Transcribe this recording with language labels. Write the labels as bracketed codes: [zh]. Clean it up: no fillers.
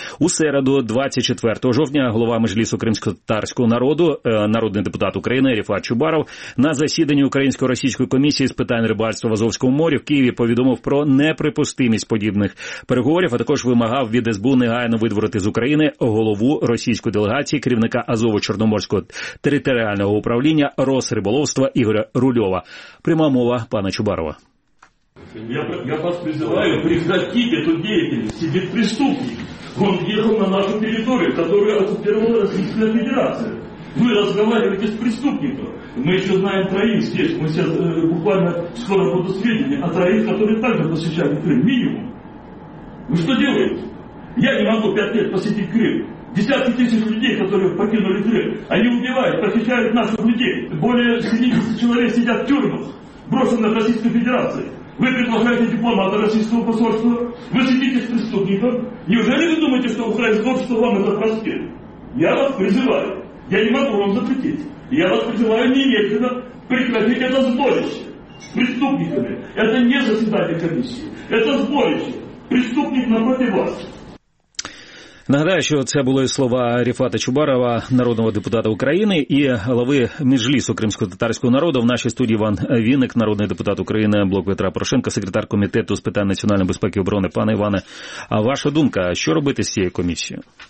[uk] У середу, 24 жовтня, голова Меджлісу кримсько-татарського народу, народний депутат України Ріфат Чубаров, на засіданні Українсько-Російської комісії з питань рибальства в Азовському морі в Києві повідомив про неприпустимість подібних переговорів, а також вимагав від СБУ негайно видворити з України голову російської делегації, керівника Азово-Чорноморського територіального управління Росриболовства Ігоря Рульова. Пряма мова пана Чубарова. [ru] Я вас призываю прекратить эту деятельность. Сидит преступник. Он въехал на нашу территорию, которую оккупировала Российская Федерация. Вы разговариваете с преступником. Мы еще знаем троих здесь. Мы сейчас буквально скоро будут сведения о троих, которые также посещали Крым. Минимум. Вы что делаете? Я не могу 5 лет посетить Крым. Десятки тысяч людей, которые покинули Крым, они убивают, похищают наших людей. Более 70 человек сидят в тюрьмах, брошенных Российской Федерацией. Вы предлагаете дипломата российского посольства, вы сидите с преступником. Неужели вы думаете, что украинское общество вам это простит? Я вас призываю, я не могу вам запретить, я вас призываю немедленно прекратить это сборище с преступниками. Это не заседание комиссии, это сборище. Преступник напротив вас. [uk] Нагадаю, що це були слова Ріфата Чубарова, народного депутата України, і голови Меджлісу кримсько-татарського народу. В нашій студії Іван Вінник, народний депутат України, блок Петра Порошенка, секретар комітету з питань національної безпеки і оборони. Пане Іване, а ваша думка, що робити з цією комісією?